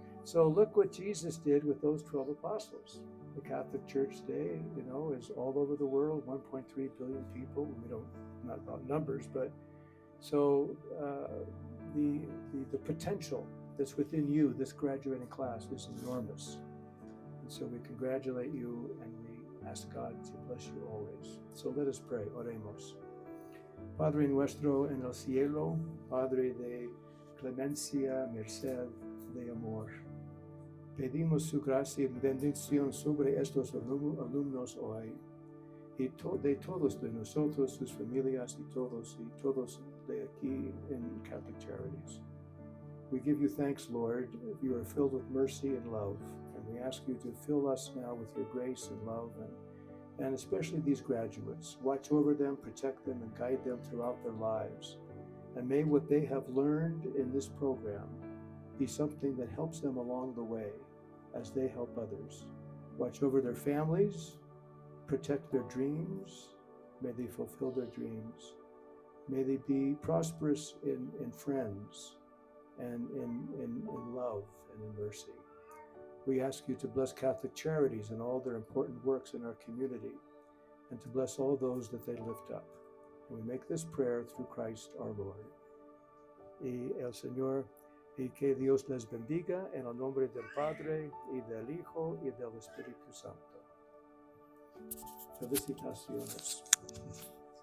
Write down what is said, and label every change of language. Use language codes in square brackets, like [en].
[en] So look what Jesus did with those 12 apostles. The Catholic Church today, you know, is all over the world, 1.3 billion people. We don't, not about numbers, but so the potential that's within you, this graduating class, is enormous. And so we congratulate you and we ask God to bless you always. So let us pray, [es] oremos. Padre nuestro en el cielo, Padre de clemencia, merced, de amor. Pedimos su gracia y bendición sobre estos alumnos hoy. Y de todos de nosotros, sus familias y todos de aquí en Catholic Charities. [en] We give you thanks, Lord. You are filled with mercy and love. And we ask you to fill us now with your grace and love, and especially these graduates. Watch over them, protect them, and guide them throughout their lives. And may what they have learned in this program be something that helps them along the way as they help others. Watch over their families, protect their dreams. May they fulfill their dreams. May they be prosperous in friends and in love and in mercy. We ask you to bless Catholic Charities and all their important works in our community, and to bless all those that they lift up. And we make this prayer through Christ our Lord. [es] Y el Señor, y que Dios les bendiga en el nombre del Padre, y del Hijo, y del Espíritu Santo. Felicitaciones.